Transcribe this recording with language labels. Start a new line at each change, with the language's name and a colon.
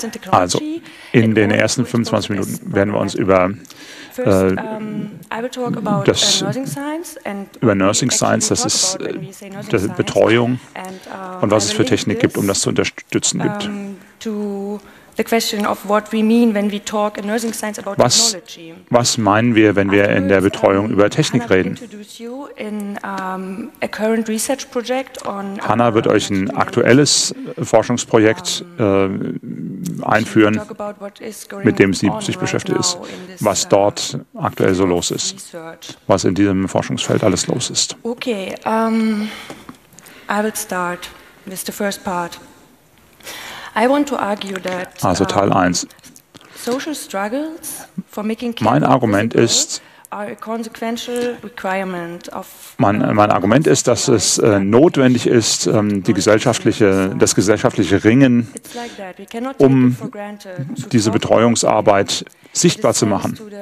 German: Also, in den ersten 25 Minuten werden wir uns über Nursing Science, das ist die Betreuung und was es für Technik gibt, um das zu unterstützen, gibt.
English: The question of what we mean when we talk in nursing science about technology.
German: Was meinen wir, wenn wir in der Betreuung über Technik reden? Hannah wird euch ein aktuelles Forschungsprojekt einführen, mit dem sie sich beschäftigt ist, was dort aktuell so los ist, was in diesem Forschungsfeld alles los ist.
English: Okay, I will start with the first part. I want to argue that,
German: also Teil 1.
English: Social struggles for making
German: mein Argument ist,
English: are a consequential requirement of,
German: mein Argument ist, dass es notwendig ist, das gesellschaftliche Ringen, um diese Betreuungsarbeit sichtbar zu machen.